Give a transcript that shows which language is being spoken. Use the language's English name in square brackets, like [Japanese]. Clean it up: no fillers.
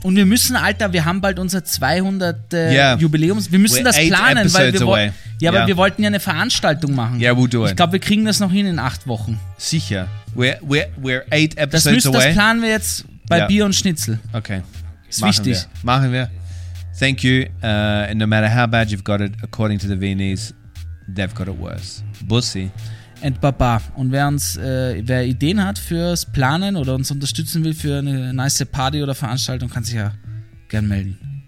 [German] Und wir müssen, Alter, wir haben bald unser 200 Jubiläums. Wir müssen das planen, weil wir wollten ja eine Veranstaltung machen. [English] Yeah, we'll do it. [German] Ich glaube, wir kriegen das noch hin in 8 Wochen. Sicher. [English] We're 8 episodes away. [German] Das planen wir jetzt bei Bier und Schnitzel. [English] Okay. [German] Wichtig. Machen wir. [English] Thank you. And no matter how bad you've got it, according to the Viennese, they've got it worse. [German] Bussi. [English] And Baba. [German] Und wer Ideen hat fürs Planen oder uns unterstützen will für eine nice Party oder Veranstaltung, kann sich ja gern melden.